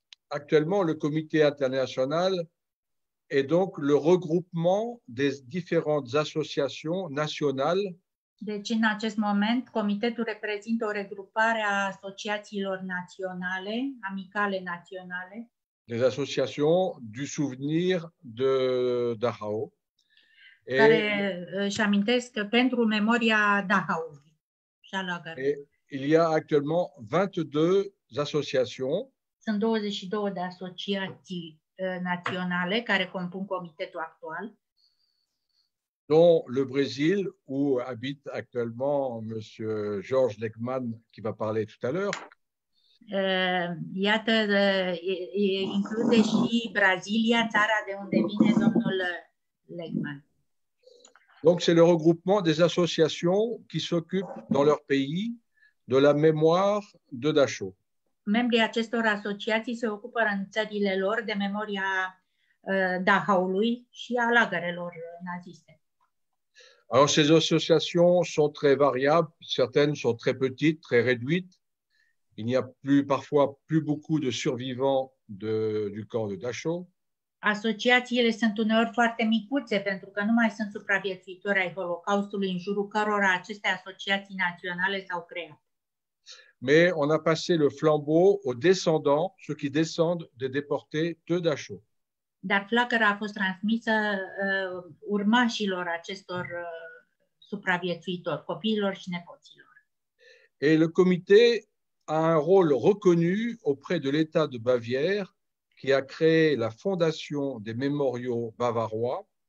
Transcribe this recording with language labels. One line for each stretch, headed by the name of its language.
French: Actuellement, le comité international est donc le regroupement des différentes associations nationales.
Romanian: Deci, în acest moment, comitetul reprezintă o regrupare a asociațiilor naționale, amicale naționale.
French: Des associations du souvenir de Dachau.
Romanian: Care își amintesc pentru memoria Dachau.
French: Et il y a actuellement 22 associations.
Romanian: Sunt 22 de asociații naționale care compun comitetul actual.
French: Dont le Brésil où habite actuellement monsieur Georges Legmann qui va parler tout à l'heure.
Romanian: Iată include și Brazilia, țara de unde vine domnul Legmann.
French: Donc, c'est le regroupement des associations qui s'occupent dans leur pays de la mémoire de Dachau.
Romanian: Membrii acestor asociații se ocupă în țările lor de memoria Dachau-lui și a lagărelor naziste.
French: Alors, ces associations sont très variables. Certaines sont très petites, très réduites. Il n'y a plus, parfois plus beaucoup de survivants du camp de Dachau.
Romanian: Asociațiile sunt uneori foarte micuțe pentru că nu mai sunt supraviețuitori ai Holocaustului în jurul cărora aceste asociații naționale s-au creat.
French: Mais on a passé le flambeau aux descendants, ceux qui descendent des déportés de Dachau.
Romanian: Dar flacăra a fost transmisă urmașilor acestor supraviețuitori, copiilor și nepoților.
French: Et le comité a un rôle reconnu auprès de l'État de Bavière. Qui a créé la Fondation des Mémoriaux Bavarois.